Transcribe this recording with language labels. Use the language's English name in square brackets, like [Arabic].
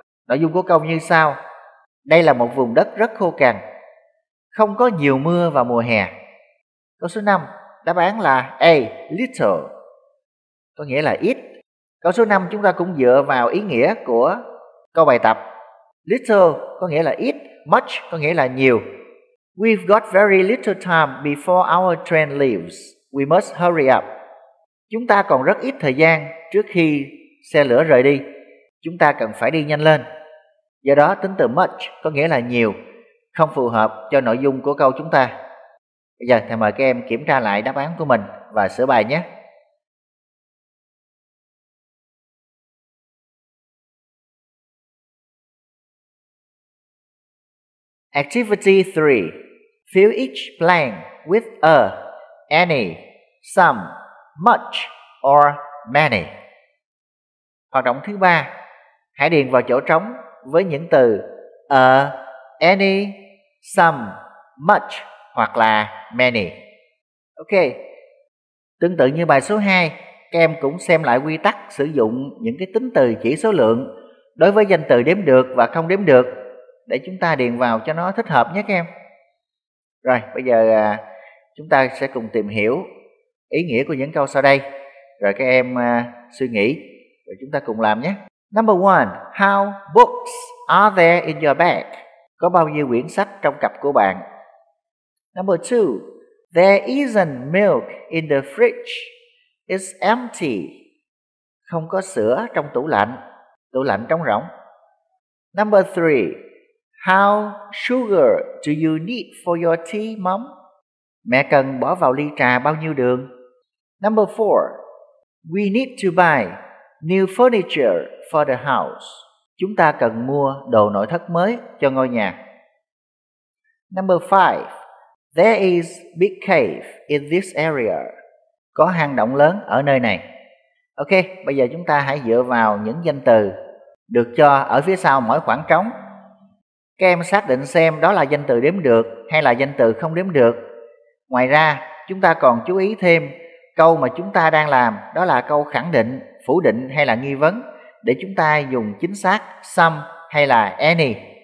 [Vietnamese] Nội dung của câu như sau: đây là một vùng đất rất khô cằn, không có nhiều mưa vào mùa hè. Câu số 5, đáp án là a little, có nghĩa là ít. Câu số 5 chúng ta cũng dựa vào ý nghĩa của câu bài tập. Little có nghĩa là ít, much có nghĩa là nhiều. [English] We've got very little time before our train leaves. We must hurry up. [Vietnamese] Chúng ta còn rất ít thời gian trước khi xe lửa rời đi. Chúng ta cần phải đi nhanh lên. Do đó tính từ much có nghĩa là nhiều, không phù hợp cho nội dung của câu chúng ta. Bây giờ thầy mời các em kiểm tra lại đáp án của mình và sửa bài nhé. [English] Activity 3. Fill each blank with a, any, some, much or many. [Vietnamese] Hoạt động thứ 3. Hãy điền vào chỗ trống với những từ a, any, some, much hoặc là many. Ok. Tương tự như bài số 2, các em cũng xem lại quy tắc sử dụng những cái tính từ chỉ số lượng đối với danh từ đếm được và không đếm được, để chúng ta điền vào cho nó thích hợp nhé các em. Rồi, bây giờ chúng ta sẽ cùng tìm hiểu ý nghĩa của những câu sau đây. Rồi các em suy nghĩ, rồi chúng ta cùng làm nhé. [English] Number 1, how books are there in your bag? [Vietnamese] Có bao nhiêu quyển sách trong cặp của bạn? [English] Number 2, there isn't milk in the fridge. It's empty. [Vietnamese] Không có sữa trong tủ lạnh trống rỗng. [English] Number 3, how sugar do you need for your tea, mom? [Vietnamese] Mẹ cần bỏ vào ly trà bao nhiêu đường? [English] Number 4, we need to buy new furniture for the house. [Vietnamese] Chúng ta cần mua đồ nội thất mới cho ngôi nhà. [English] Number 5, there is big cave in this area. [Vietnamese] Có hang động lớn ở nơi này. Ok, bây giờ chúng ta hãy dựa vào những danh từ được cho ở phía sau mỗi khoảng trống. Các em xác định xem đó là danh từ đếm được hay là danh từ không đếm được. Ngoài ra, chúng ta còn chú ý thêm câu mà chúng ta đang làm, đó là câu khẳng định, phủ định hay là nghi vấn, để chúng ta dùng chính xác some hay là any.